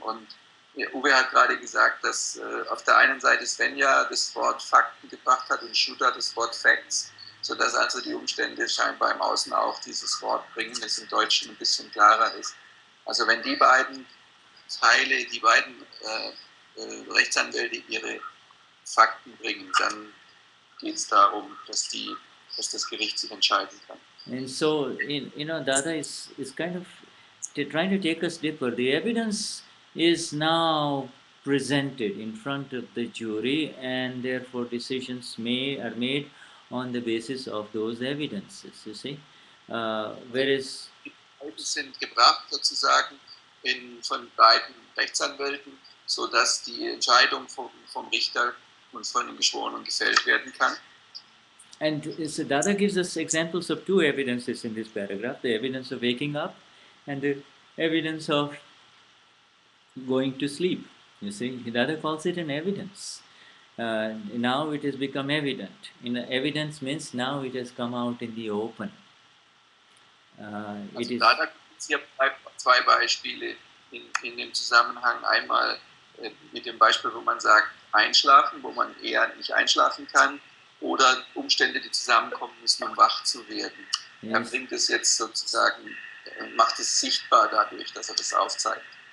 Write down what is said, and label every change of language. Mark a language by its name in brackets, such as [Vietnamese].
[German] Und Uwe hat gerade gesagt, dass auf der einen Seite Svenja das Wort Fakten gebracht hat und Shuddha das Wort Facts, sodass also die Umstände scheinbar im Außen auch dieses Wort bringen, das im Deutschen ein bisschen klarer ist. Also wenn die beiden Teile, die beiden Rechtsanwälte ihre Fakten bringen, dann geht es darum, dass das Gericht sich entscheiden kann. [English] And so, Dada is kind of trying to take us deeper. The evidence is now presented in front of the jury, and therefore decisions are made on the basis of those evidences, you see. Whereas [German] die sind gebracht sozusagen von beiden Rechtsanwälten, so dass die Entscheidung vom Richter und von den Geschworenen gefällt werden kann. [English] And so Dada gives us examples of two evidences in this paragraph: the evidence of waking up and the evidence of going to sleep. You see, Dada calls it an evidence. Now it has become evident. Evidence means now it has come out in the open. [German] Dada [English] gives here [German] zwei Beispiele in dem Zusammenhang. Einmal mit dem Beispiel, wo man sagt, einschlafen, wo man eher nicht einschlafen kann, oder Umstände, die zusammenkommen müssen, um wach zu werden. [English] Yes. [German] Er bringt es jetzt sozusagen, macht es sichtbar dadurch, dass er das aufzeigt.